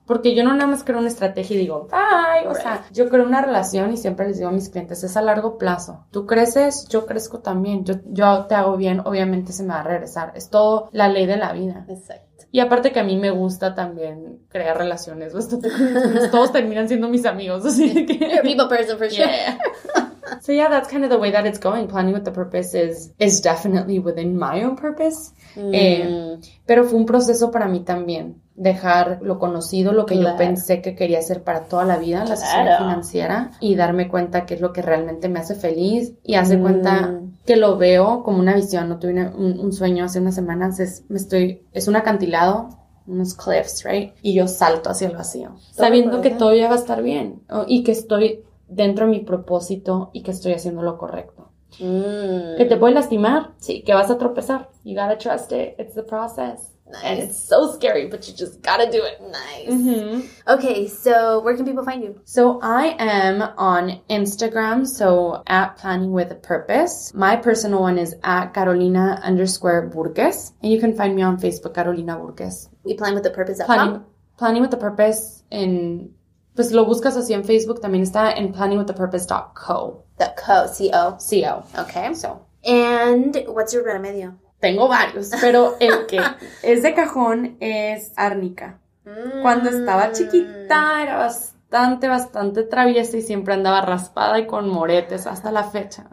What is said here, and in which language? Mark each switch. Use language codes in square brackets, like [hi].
[es] Porque yo no nada más creo una estrategia y digo, bye. O sea, yo creo una relación y siempre les digo a mis clientes, es a largo plazo. Tú creces, yo crezco también. Yo te hago bien, obviamente se me va a regresar. Es todo la ley de la vida. Exacto. Y aparte que a mí me gusta también crear relaciones bastante curiosas. Todos terminan siendo mis amigos, así que... [en] You're a people person for sure. Yeah. So yeah, that's kind of the way that it's going. Planning with the purpose is definitely within my own purpose. Mm. [es] Pero fue un proceso para mí también. Dejar lo conocido, lo que yo pensé que quería hacer para toda la vida, la asesoría financiera, y darme cuenta qué es lo que realmente me hace feliz, y hace cuenta que lo veo como una visión. No tuve un sueño hace unas semanas, es un acantilado, unos [en] cliffs, right? [es] Y yo salto hacia el vacío, sabiendo que todo ya va a estar bien, y que estoy dentro de mi propósito, y que estoy haciendo lo correcto. Que te puede lastimar, sí, que vas a tropezar. [en] You gotta trust it, it's the process. Nice. And it's so scary, but you just gotta do it. Nice. Mm-hmm. Okay, so where can people find you? So I am on Instagram, so at Planning With A Purpose. My personal one is at @Carolina_Burgess. And you can find me on Facebook, Carolina Burgess. We plan with a purpose at Planning With A Purpose in... [es] Pues lo buscas así en Facebook, también está en planningwiththepurpose.co. [en] .co. C-O. Okay. So. And what's your remedio? [es] Tengo varios, pero el que es de cajón es árnica. Cuando estaba chiquita era bastante, bastante traviesa y siempre andaba raspada y con moretes hasta la fecha.